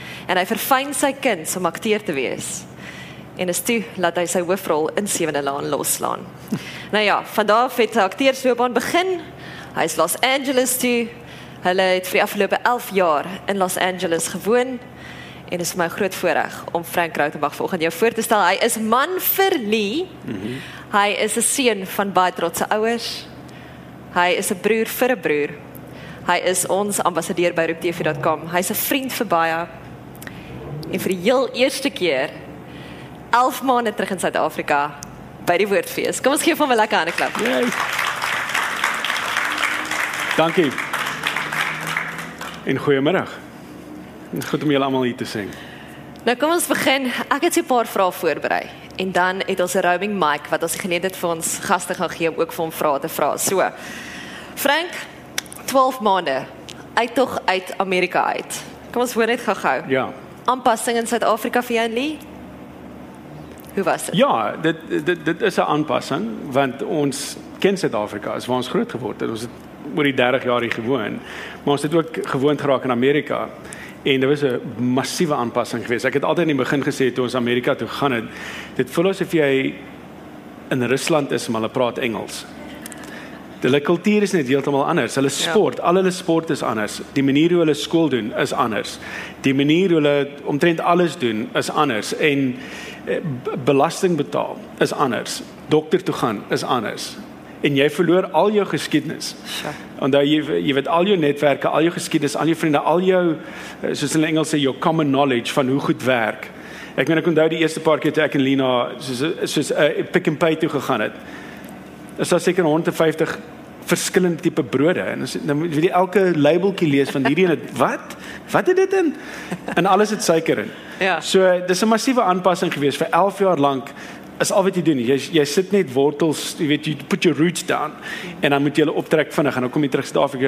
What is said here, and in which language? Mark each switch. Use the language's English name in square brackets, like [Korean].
[Afrikaans] En hy verfyn sy kuns om akteur te wees. En is toe laat hy sy hoofrol in Sewende Laan loslaan. Nou ja, vandaar het sy akteursloopbaan begin. Hy is Los Angeles toe. Hulle het vir die afgelope 11 jaar in Los Angeles gewoon. En is my groot voorreg om Frank Ruitenbach volgende jou voor te stel. Hy is man vir Lee. Hy is 'n seun van baie trotse ouers. Hy is 'n broer vir 'n broer. Hy is ons ambassadeur by RoepTV.com. Hy is 'n vriend vir baie. En vir die heel eerste keer, 11 maande terug in Suid-Afrika, by die Woordfees. Kom ons geef hom 'n lekker handeklap. Dankie. En goeiemiddag. Goed om julle allemaal hier te sien. Nou kom ons begin. Ek het so 'n paar vrae voorberei. En dan het ons 'n roaming mic, wat ons geleentheid vir ons gaste gaan gee, om ook vir hom vrae te vra. So, Frank, 12 maande, uittog uit Amerika uit. Kom ons hoor net gou-gou. Ja. Aanpassing in Suid-Afrika vir jou en Lee? Hoe was dit? Ja, dit is 'n aanpassing, want ons ken Suid-Afrika, is waar ons groot geword het. Ons het oor die 30 jaar hier gewoon. Maar ons het ook gewoond geraak in Amerika. En dit was 'n massiewe aanpassing geweest. Ek het altyd in die begin gesê, toe ons Amerika toe gaan het, dit voel asof jy in Rusland is, maar hulle praat Engels. Hulle kultuur is net heeltemal anders. Hulle sport, al hulle sport is anders. Die manier hoe hulle skool doen is anders. Die manier hoe hulle omtrent alles doen is anders. En belasting betaal is anders. Dokter toe gaan is anders. En jy verloor al jou geskiedenis. Omdat jy weet al jou netwerke, al jou geskiedenis, al jou vriende, al jou, soos in Engels sê, [English] your common knowledge [Afrikaans] van hoe goed werk. Ek meen, ek onthou die eerste paar keer toe ek en Lina soos Pick n Pay toe gegaan het. Is daar seker 150 verskillende type brode. En dan moet jy elke labelkie lees van hierdie en het, wat? Wat het dit in? En alles het suiker in. Ja. So, dis 'n massiewe aanpassing gewees. Vir 11 jaar lank is al wat jy doen. Jy sit net wortels, jy weet, [English] you put your roots down. [Afrikaans] En dan moet jy hulle optrek vinnig en dan kom jy terug Suid-Afrika.